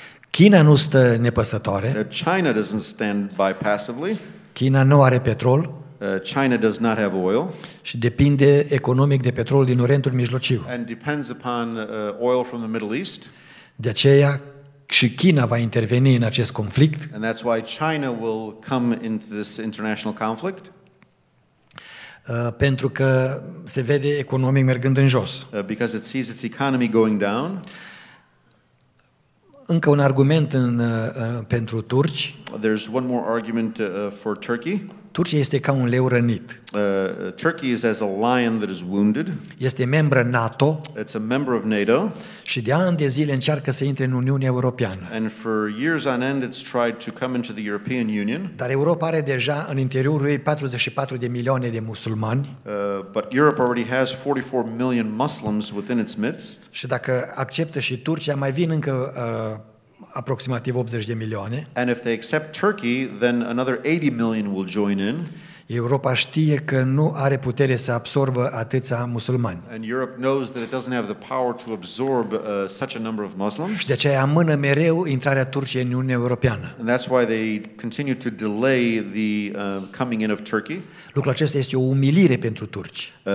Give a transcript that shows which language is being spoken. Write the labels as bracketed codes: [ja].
[ro] China nu stă nepăsătoare. [en] China doesn't stand by passively. [ro] China nu are petrol. [en] China does not have oil. [ro] Și depinde economic de petrol din Orientul Mijlociu. [en] And depends upon oil from the Middle East. [ro] De aceea și China va interveni în acest conflict. [en] And that's why China will come into this international conflict. [ro] Pentru că se vede economic mergând în jos. [en] Because it sees its economy going down. [ro] Încă un argument pentru turci. [en] There's one more argument for Turkey. [ro] Turcia este ca un leu rănit. [en] Turkey is as a lion that is wounded. [ro] Este membră NATO. [en] It's a member of NATO. [ro] Și de ani de zile încearcă să intre în Uniunea Europeană. [en] And for years on end it's tried to come into the European Union. [ro] Dar Europa are deja în interiorul ei 44 de milioane de musulmani. [en] But Europe already has 44 million Muslims within its midst. [ro] Și dacă acceptă și Turcia, mai vin încă aproximativ 80 de milioane. [en] And if they accept Turkey, then another 80 million will join in. [ro] Europa știe că nu are putere să absorbă atâția musulmani. [en] And Europe knows that it doesn't have the power to absorb such a number of Muslims. [ro] De aceea amână mereu intrarea Turciei în Uniunea Europeană. [en] And that's why they continue to delay the coming in of Turkey. [ro] Lucrul acesta este o umilire pentru turci.